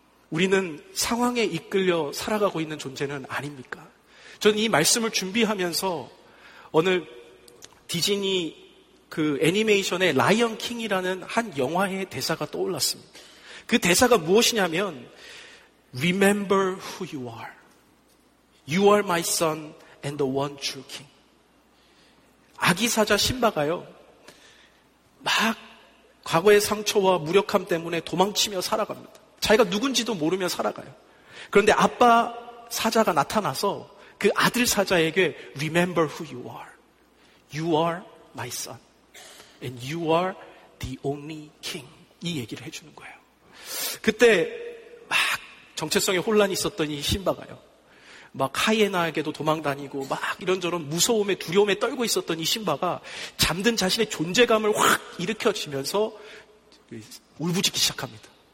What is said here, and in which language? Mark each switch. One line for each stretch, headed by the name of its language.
Korean: 우리는 상황에 이끌려 살아가고 있는 존재는 아닙니까? 저는 이 말씀을 준비하면서 오늘 디즈니 그 애니메이션의 라이언 킹이라는 한 영화의 대사가 떠올랐습니다. 그 대사가 무엇이냐면
English: Remember who you are. You are my son and the one true king.
Korean: 아기 사자 심바가요, 막 과거의 상처와 무력함 때문에 도망치며 살아갑니다. 자기가 누군지도 모르며 살아가요. 그런데 아빠 사자가 나타나서 그 아들 사자에게
English: Remember who you are. You are my son. And you are the only king.
Korean: 이 얘기를 해주는 거예요. 그때 막 정체성에 혼란이 있었던 이 심바가요, 막 하이에나에게도 도망다니고 막 이런저런 무서움에 두려움에 떨고 있었던 이 심바가 잠든 자신의 존재감을 확 일으켜지면서 울부짖기 시작합니다.